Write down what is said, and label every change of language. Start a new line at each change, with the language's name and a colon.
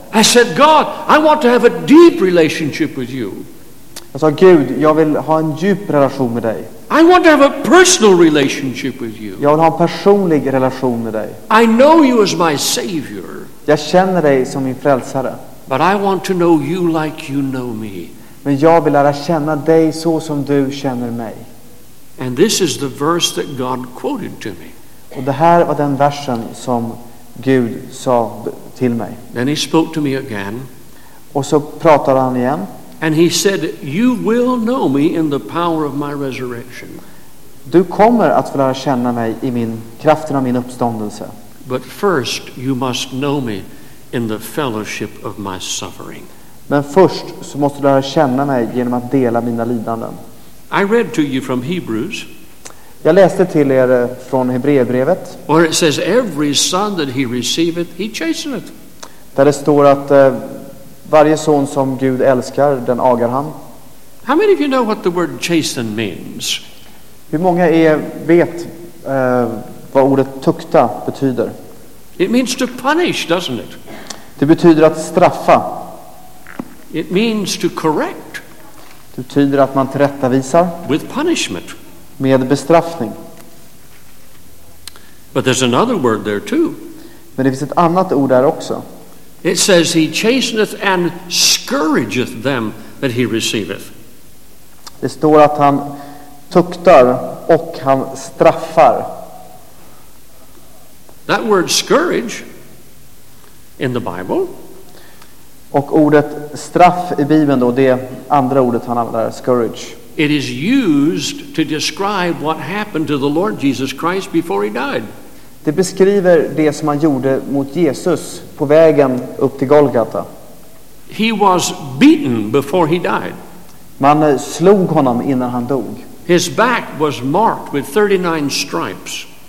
English: I said, God, I want to have a deep relationship with you.
Swedish: Jag sa, Gud, jag vill ha en djup relation med dig.
English: I want to have a personal relationship with you.
Swedish: Jag vill ha en personlig relation med dig.
English: I know you as my savior.
Swedish: Jag känner dig som min frälsare.
English: But I want to know you like you know me.
Swedish: Men jag vill lära känna dig så som du känner mig.
English: And this is the verse that God quoted to me.
Swedish: Och det här var den versen som Gud sa till mig.
English: Then he spoke to me again.
Swedish: Och så pratade han igen.
English: And he said, "You will know me in the power of my resurrection."
Swedish: Du kommer att få lära känna mig i min kraften av min uppståndelse.
English: But first, you must know me in the fellowship of my suffering.
Swedish: Men först så måste du lära känna mig genom att dela mina lidanden.
English: I read to you from Hebrews.
Swedish: Jag läste till er från Hebreerbrevet.
English: Where it says, "Every son that he receiveth, he chasteneth."
Swedish: Där det står att varje son som Gud älskar, den agar han.
English: How many of you know what the word chasten means?
Swedish: Hur många vet vad ordet tukta betyder?
English: It means to punish, doesn't it?
Swedish: Det betyder att straffa.
English: It means to correct.
Swedish: Det betyder att man tillrättavisar.
English: With punishment.
Swedish: Med bestraffning.
English: But there's another word there too.
Swedish: Men det finns ett annat ord där också.
English: It says he chasteneth and scourgeth them that he receiveth.
Swedish: Det står att han tuktar och han straffar.
English: That word scourge in the Bible.
Swedish: Och ordet straff i Bibeln då, det andra ordet han använder, scourge.
English: It is used to describe what happened to the Lord Jesus Christ before he died.
Swedish: Det beskriver det som han gjorde mot Jesus på vägen upp till Golgata.
English: He was beaten before he died.
Swedish: Man slog honom innan han dog.
English: His back was marked with 39 stripes.